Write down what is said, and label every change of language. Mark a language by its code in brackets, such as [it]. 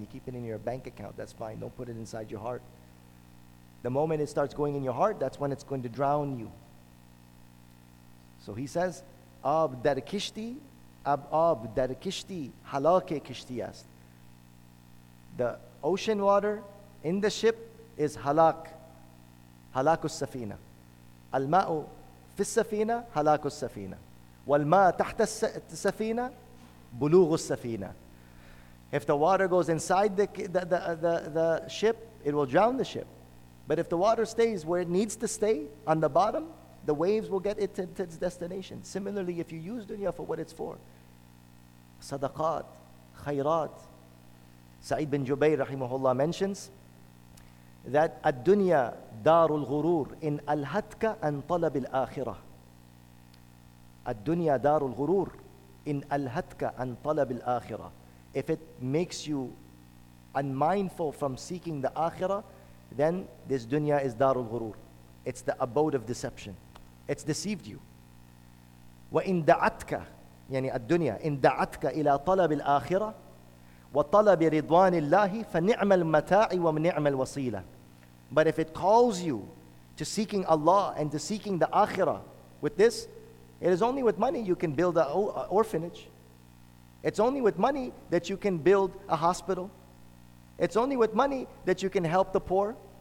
[en] You keep it in your bank account, that's fine. Don't put it inside your heart. The moment it starts going in your heart, that's when it's going to drown you. So he says, [fa] Ab dar kishti, ab dar kishti, halake kishti ast. [en] The ocean water in the ship is halak, halakus safina. [ar] الماء في السفينة هلاك السفينة والماء تحت السفينة بلوغ السفينة. [en] If the water goes inside the ship, it will drown the ship. But if the water stays where it needs to stay, on the bottom, the waves will get it to its destination. Similarly, if you use dunya for what it's for, صدقات, خيرات. [ar] سعيد بن جبير رحمه الله [en] mentions that [ar] الدنيا دار الغرور إن ألهتك أن طلب الآخرة. الدنيا دار الغرور إن ألهتك أن طلب الآخرة. [en] If it makes you unmindful from seeking the Akhirah, then this dunya is [ar] دار الغرور. [en] It's the abode of deception. It's deceived you. [ar] وإن دعتك يعني الدنيا إن دعتك إلى طلب الآخرة وطلب رضوان الله فنعم المتاع ونعم الوسيلة. [en] But if it calls you to seeking Allah and to seeking the Akhirah with this, it is only with money you can build an orphanage. It's only with money that you can build a hospital. It's only with money that you can help the poor.